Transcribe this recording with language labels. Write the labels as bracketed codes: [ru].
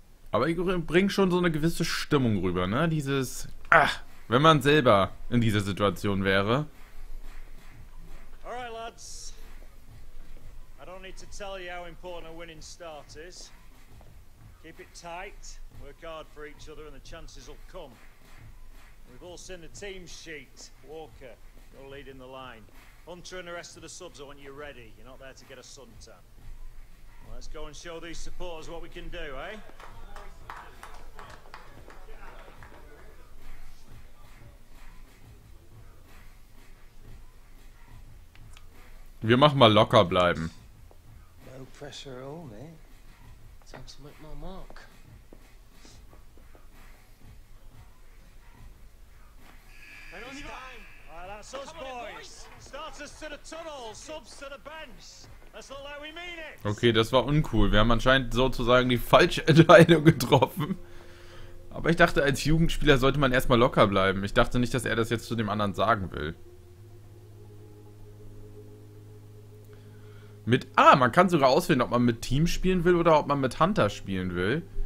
[de] Aber ich bringe schon so eine gewisse Stimmung rüber, ne? Dieses, ach, wenn man selber in dieser Situation wäre. [en] Alright, lads. I don't need to tell you how important a winning start is. Keep it tight, work hard for each other and the chances will come. We've all seen the team sheet. Walker, you're leading the line. Hunter and the rest of the subs, I want you ready. You're not there to get a suntan. Well, let's go and show these supporters what we can do, eh? [de] Wir machen mal locker bleiben. [en] No pressure at all, mate. Time to make my mark. It's time. Well, that's us, boys. Starters to the tunnel, subs to the bench. That's not like we mean it. [de] Okay, das war uncool. Wir haben anscheinend sozusagen die falsche Entscheidung getroffen. Aber ich dachte, als Jugendspieler sollte man erstmal locker bleiben. Ich dachte nicht, dass er das jetzt zu dem anderen sagen will. Man kann sogar auswählen, ob man mit Team spielen will oder ob man mit Hunter spielen will.